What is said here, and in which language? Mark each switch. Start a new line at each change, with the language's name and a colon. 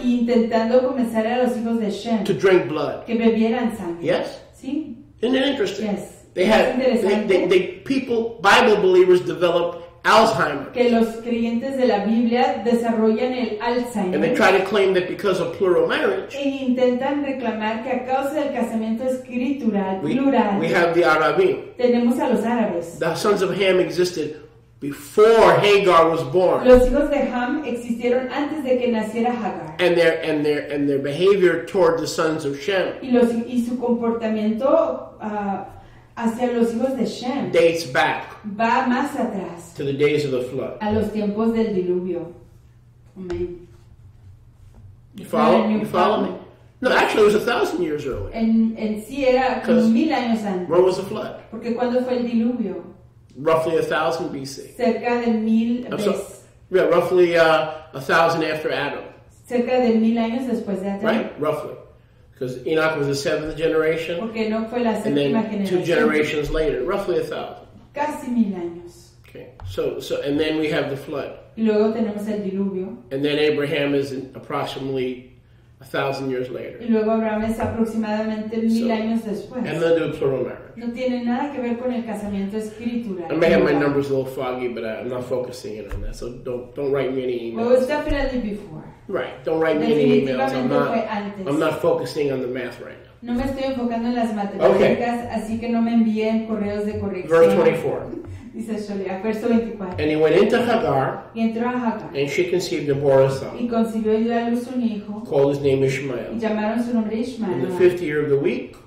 Spanish: y intentando convencer a los hijos de Shem
English: to drink blood.
Spanish: Que bebieran sangre.
English: Yes?
Spanish: Sí.
English: Isn't it interesting? Yes. People, Bible believers develop Alzheimer's.
Spanish: Que los creyentes de la Biblia desarrollan el Alzheimer.
English: And they try to claim that because of plural marriage.
Spanish: E intentan reclamar que a causa del casamiento escritural plural.
English: We have the Arabim.
Spanish: Tenemos a los árabes.
English: The sons of Ham existed before Hagar was born.
Spanish: Los hijos de Ham existieron antes de que naciera Hagar.
English: And their behavior toward the sons of Shem.
Spanish: Y su comportamiento hacia los hijos de Shem.
English: Dates back.
Spanish: Va más atrás.
English: To the days of the flood.
Spanish: A los tiempos del diluvio. Amen.
English: You follow me? No, actually, it was 1,000 years early.
Spanish: En sí era como 1,000 años antes.
English: When was the flood?
Spanish: Porque cuando fue el diluvio.
English: Roughly 1,000 BC.
Spanish: Cerca de 1,000
English: BC. Yeah, roughly 1,000 after Adam.
Spanish: Cerca de 1,000 años después de Adam.
English: Right, roughly. Because Enoch was the seventh generation.
Spanish: Porque no fue la séptima generación.
English: And then two generations later, roughly 1,000.
Spanish: Casi 1,000 años.
English: Okay. So and then we have the flood.
Spanish: Y luego tenemos el diluvio.
English: And then Abraham is approximately 1,000 years later.
Spanish: Y luego Abraham es aproximadamente 1,000 años después.
English: And then the plural marriage.
Spanish: No tiene nada que ver con el casamiento escritural.
English: I may have my numbers a little foggy, but I'm not focusing in on that. So don't write me any emails. Well, it was definitely before. Right. Don't write me any emails. I'm not focusing on the math right now.
Spanish: No me estoy enfocando en las matemáticas,
English: okay.
Spanish: Así que no me envíen correos de corrección.
English: Verse 24. And he went into Hagar,
Spanish: y entró a Hagar,
English: and she conceived a bore a son,
Spanish: y concibió y dio a luz un hijo,
English: called his name Ishmael.
Spanish: Y llamaron su nombre Ishmael.
English: In the 50th year of the week,